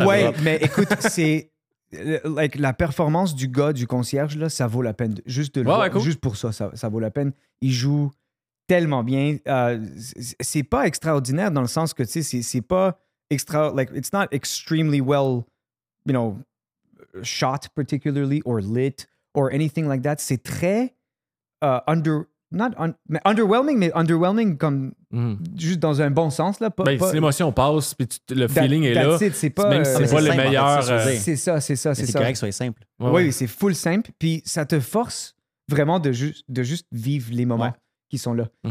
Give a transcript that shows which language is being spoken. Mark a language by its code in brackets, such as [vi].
[fr] Ouais, mais écoute, c'est... Like, la performance du gars, du concierge, là, ça vaut la peine. Juste de le voir, [en] cool. [fr] Juste pour ça, ça vaut la peine. Il joue tellement bien. C'est pas extraordinaire dans le sens que, tu sais, c'est pas extra... [en] Like, it's not extremely well, you know... shot particularly or lit or anything like that. [fr] C'est très underwhelming comme juste dans un bon sens là. Si l'émotion passe puis le feeling est là, c'est pas le meilleur. C'est ça. C'est correct, soit simple. Oui, c'est full simple puis ça te force vraiment de juste vivre les moments qui sont là.